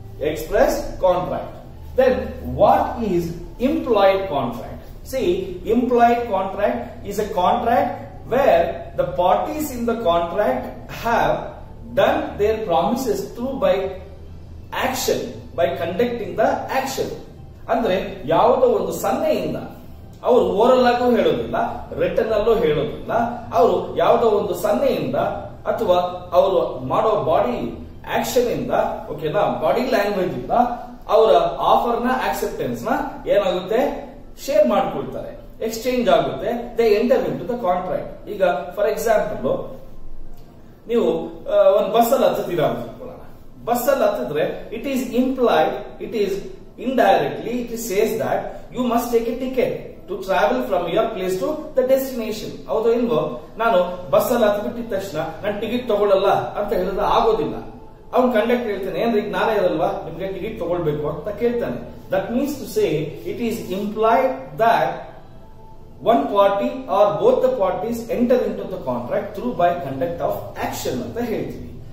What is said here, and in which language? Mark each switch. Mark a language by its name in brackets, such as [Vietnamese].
[English] Express contract. Then what is implied contract? See, implied contract is a contract where the parties in the contract have done their promises through by action, by conducting the action. [Kannada] ಅಂದ್ರೆ ಯಾವುದೋ ಒಂದು ಸನ್ನೆಯಿಂದ, ಅವರು oral ಆಗೂ ಹೇಳೋದಿಲ್ಲ, return ಅಲ್ಲೂ ಹೇಳೋದಿಲ್ಲ, ಅವರು ಯಾವುದೋ ಒಂದು ಸನ್ನೆಯಿಂದ ಅಥವಾ ಅವರು ಮಾಡೋ ಬಾಡಿ ಆಕ್ಷನ್ ಇಂದ, ಓಕೆನಾ, ಬಾಡಿ ಲ್ಯಾಂಗ್ವೇಜ್ ಇಂದ ಅವರ ಆಫರ್ ನ ಆಕ್ಸೆಪ್ಟೆನ್ಸ್ ನ ಏನಾಗುತ್ತೆ, ಶೇರ್ ಮಾಡ್ಕೊಳ್ತಾರೆ, ಎಕ್ಸ್ಚೇಂಜ್ ಆಗುತ್ತೆ, [English] They enter in to the contract. [Kannada] ಈಗ ಫಾರ್ ಎಕ್ಸಾಂಪಲ್, ನೀವು ಒಂದು ಬಸ್ ಅಲ್ಲಿ ಹತ್ತಿದ್ದೀರಾ ಅಂತ ಹೇಳೋಣ. ಬಸ್ ಅಲ್ಲಿ ಹತ್ತಿದ್ರೆ [English] It is implied, it is indirectly it says that you must take a ticket to travel from your place to the destination. [Kannada] ಅವತ್ತು ಇಲ್ವ, ನಾನು ಬಸ್ ಅಲ್ಲಿ ಹತ್ಬಿಟ್ಟಿದ ತಕ್ಷಣ ನಾನು ಟಿಕೆಟ್ ತಗೊಳ್ಳಲ್ಲ ಅಂತ ಹೇಳಿದ್ರೆ ಆಗೋದಿಲ್ಲ. ಅವನ್ ಕಂಡಕ್ಟ್ ಹೇಳ್ತಾನೆ, ಏನ್ರಿ ಜ್ಞಾನ ಇರಲ್ವಾ ನಿಮ್ಗೆ ಟಿಕೆಟ್ ತಗೊಳ್ಬೇಕು ಅಂತ ಕೇಳ್ತಾನೆ. [English] that means to say it is implied that one party or both the parties enter in to the contract through by conduct of action [Kannada] ಅಂತ ಹೇಳ್ತೀನಿ.